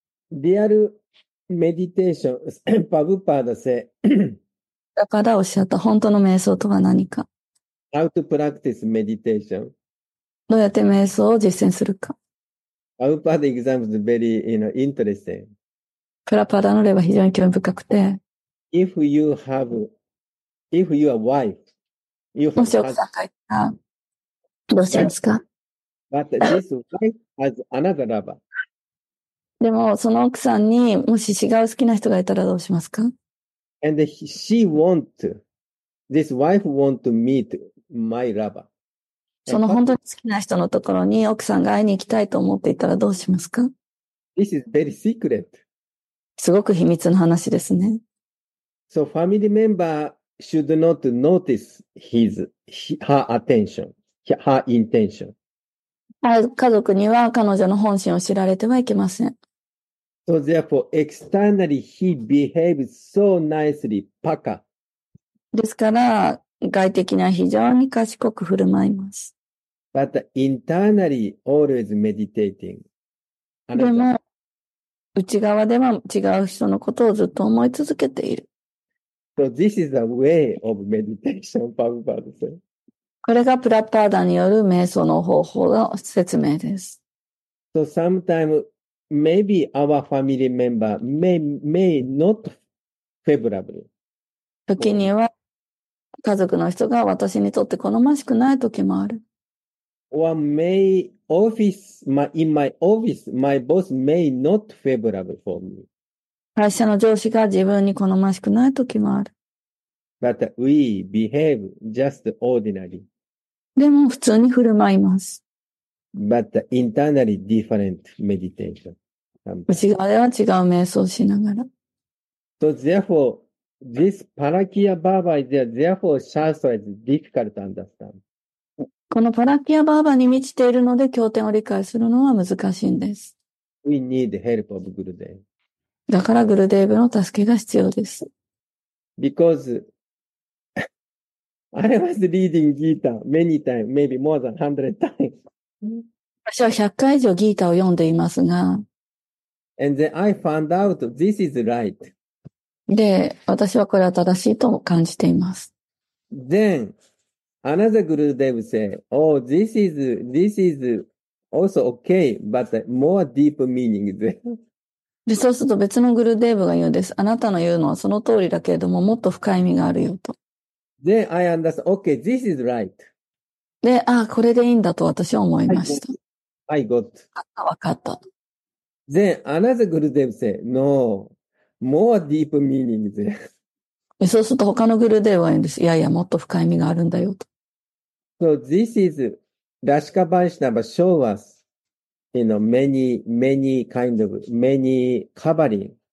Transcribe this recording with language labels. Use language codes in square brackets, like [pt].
[en] る。Real meditation, Prabhupada said. [ja] パダおっしゃった、本当の瞑想とは何か。 [en] How to practice meditation. [ja] どうやって瞑想を実践するか。 [en] アウパーダ example is very, you know, interesting. [ja] プラパダの例は非常に興味深くて。 [en] If you have, if you are wife, you have [ja] もし奥さんがいたら、どうしますか [en] ?But this wife has another lover. [ja] でも、その奥さんにもし違う好きな人がいたらどうしますか [en] ?And she want, this wife want to meet my lover. [ja] その本当に好きな人のところに奥さんが会いに行きたいと思っていたらどうしますか [en] ?This is very secret. [ja] すごく秘密の話ですね。 [en] So family member should not notice his, her attention, her intention. [ja] 家族には彼女の本心を知られてはいけません。 [en] So therefore, externally he behaves so nicely, paka. [ja] ですから、外的には非常に賢く振る舞います。 [en] But internally always meditating. [ja] でも、内側では違う人のことをずっと思い続けている。 [en] So this is a way of meditation, Prabhupada said. [ja] これがプラッパーダによる瞑想の方法の説明です。 [en] So sometimes, maybe our family member may not favorable. [ja] 時には、家族の人が私にとって好ましくない時もある。 [en] Or may office, my, in my office, my boss may not favorable for me. [ja] 会社の上司が自分に好ましくない時もある。 [en] But we behave just ordinary. [ja] でも普通に振る舞います。 [en] But internally different meditation. [ja] 内側では違う瞑想しながら。 [en] So therefore,This parakya bhava is there, therefore shastra is difficult to understand. [ja] このパラキアバーバに満ちているので経典を理解するのは難しいんです。 [en] We need help of Gurudev. [ja] だからグルデーブの助けが必要です。 [en] Because I was reading Gita many times, maybe more than 100 times. [ja] 私は100回以上ギータを読んでいますが。 [en] And then I found out this is right. [ja] で、私はこれは正しいと感じています。 [en] Then, another Gurudev said, oh, this is also okay, but more deep meaning there. [ja] で、そうすると別のグルデーブが言うんです。あなたの言うのはその通りだけれども、もっと深い意味があるよと。 [en] Then I understand, okay, this is right. [ja] で、ああ、これでいいんだと私は思いました。 [en] I got. [ja] わかった。 [en] Then, another Gurudev said, no.More deep meaning there. [ja] そうすると他のグルデーは言うんです。いやいや、もっと深い意味があるんだよと。 [en] So this is Rashka Vaishnava show us, you know, many, many kind of, many covering.